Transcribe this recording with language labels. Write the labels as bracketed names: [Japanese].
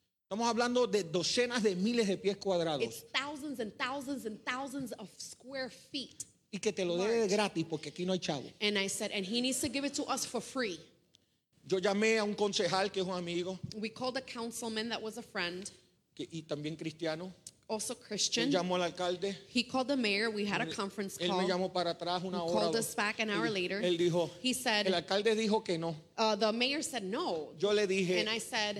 [Spanish] Estamos hablando de docenas de miles de pies cuadrados. [English] It's thousands and thousands and thousands of square feet. [Spanish] Y que te lo dé de gratis porque aquí no hay chavo. [English] And I said, and he needs to give it to us for free. [Spanish] Yo llamé a un concejal que es un amigo. [English] We called a councilman that was a friend. [Spanish] Que, y también cristiano. [English] Also Christian. [Spanish] Él llamó al alcalde. [English] He called the mayor. We had a conference call. [Spanish] Él me llamó para atrás una hora. [English] He called us back an hour later. [Spanish] Él dijo. [English] He said. [Spanish] El alcalde dijo que no. [English] The mayor said no. [Spanish] Yo le dije. [English] And I said.